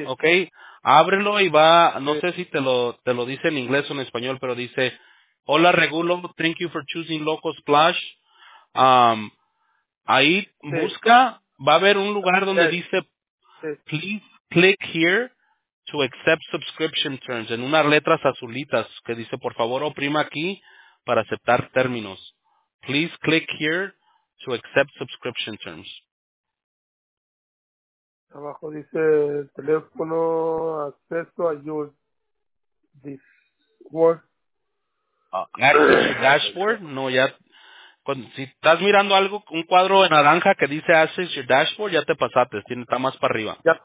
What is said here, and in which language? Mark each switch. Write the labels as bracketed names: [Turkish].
[Spanish] ok, ábrelo y va, no sé si te lo dice en inglés o en español, pero dice, hola Regulo, [English] thank you for choosing local splash. [Spanish] Ahí busca, va a haber un lugar donde dice, [English] please click here to accept subscription terms, [Spanish] en unas letras azulitas que dice, por favor, oprima aquí para aceptar términos. [English] Please click here to accept subscription terms. [Spanish] Abajo dice teléfono, acceso, ayuda, Discord. [English] Access your dashboard, no, ya. [Spanish] Si estás mirando algo, un cuadro de naranja que dice [English] Access your dashboard, [Spanish] ya te pasaste, está más para arriba.